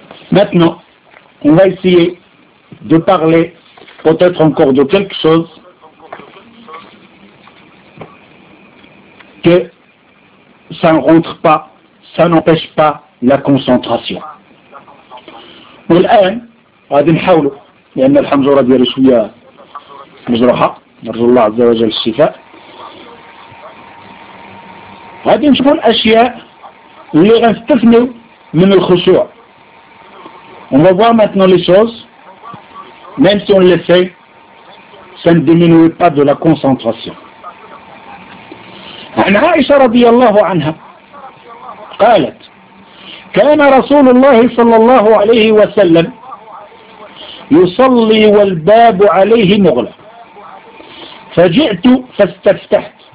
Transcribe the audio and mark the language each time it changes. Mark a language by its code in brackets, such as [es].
[fr] Maintenant, on va essayer de parler peut-être encore de quelque chose que ça ne rentre pas, ça n'empêche pas la concentration. [ar] والآن غادي نحاولوا لأن الحمزورة ديالي شوية مجروحة نرجو الله عز وجل الشفاء. غادي نشوفوا الأشياء اللي غنستثنوا من الخشوع. [fr] On va voir maintenant les choses, même si on les fait, ça ne diminue pas de la concentration. [ar] عن عائشة رضي الله عنها قالت كان رسول الله صلى الله عليه وسلم يصلي والباب عليه مغلق فجئت فاستفتحت